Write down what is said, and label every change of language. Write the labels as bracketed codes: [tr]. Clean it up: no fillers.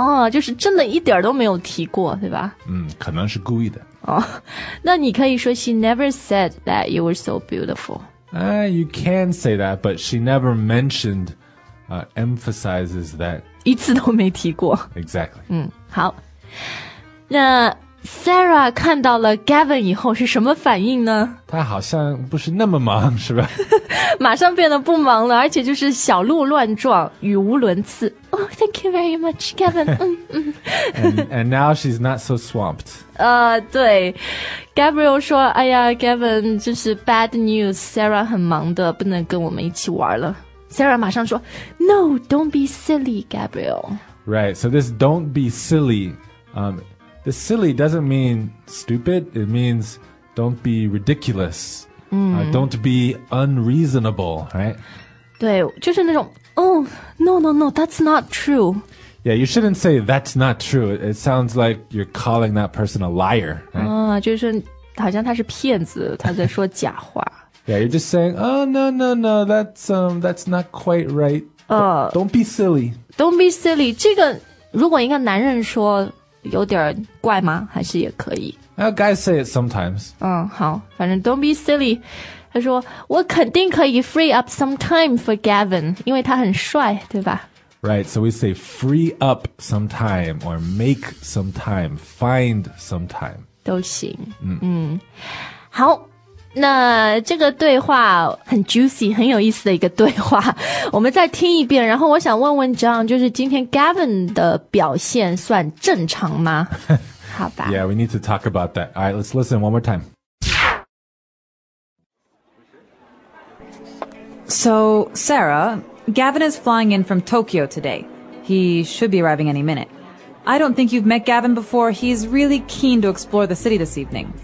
[zh] 就是真的一点都没有提过，对吧？可能是故意的。那你可以说 [en] she never said that you were so beautiful. You can say that, but she never mentioned, emphasizes that. [zh] 一次都没提过。 [en] Exactly. [zh] 好。那 Sarah 看到了 Gavin 以后是什么反应呢？他好像不是那么忙，是吧？马上变得不忙了，而且就是小鹿乱撞，语无伦次。 [en] Oh, thank you very much, Gavin. and now she's not so swamped. [zh] 对 ，Gabriel 说：“哎呀 ，Gavin， 就是 [en] bad news. [zh] Sarah 很忙的，不能跟我们一起玩了。” [en] Sarah [zh] 马上说 [en] ：“No, don't be silly, Gabriel. Right. So this don't be silly.” The silly doesn't mean stupid. It means don't be ridiculous. Don't be unreasonable, right? [zh] 对，就是那种 [en] that's not true. Yeah, you shouldn't say that's not true. It sounds like you're calling that person a liar. Right? [zh] 就是好像他是骗子，他在说假话。 [en] Yeah, you're just saying, oh, no, that's not quite right. Don't be silly. Don't be silly. [zh] 这个如果一个男人说有点怪吗？还是也可以。 [en] Guys say it sometimes. [zh] 好，反正 [en] don't be silly. [zh] 他说我肯定可以 [en] free up some time for Gavin, [zh] 因为他很帅，对吧？ [en] Right. So we say free up some time or make some time, find some time. [zh] 都行。好，那这个对话很 juicy, 很有意思的一个对话。我们再听一遍，然后我想问问 John, 就是今天 Gavin 的表现算正常吗？好吧。 [en] Yeah, we need to talk about that. All right, let's listen one more time. So, Sarah, Gavin is flying in from Tokyo today. He should be arriving any minute. I don't think you've met Gavin before. He's really keen to explore the city this evening.